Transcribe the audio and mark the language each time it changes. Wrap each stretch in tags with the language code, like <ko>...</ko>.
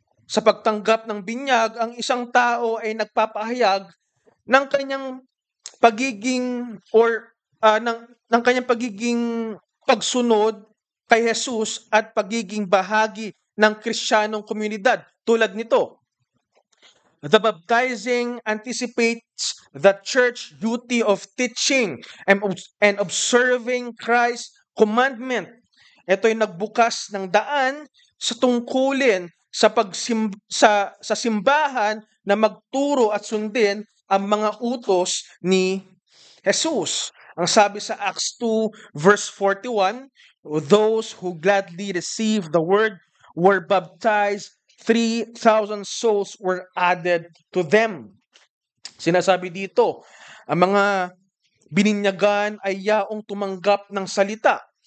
<tl>Sa pagtanggap ng binyag, ang isang tao ay nagpapahayag ng kanyang pagiging or ng kanyang pagiging pagsunod kay Jesus at pagiging bahagi ng Kristiyanong komunidad tulad nito.</tl> <en>The baptizing anticipates the church duty of teaching and observing Christ's commandment.</en> <tl>Ito ay nagbukas ng daan sa tungkulin sa sa simbahan na magturo at sundin ang mga utos ni Jesus. Ang sabi sa</tl> <en>Acts 2 verse 41, those who gladly received the word were baptized, 3,000 souls were added to them.</en> <tl>Sinasabi dito, ang mga bininyagan ay yaong tumanggap ng salita.</tl>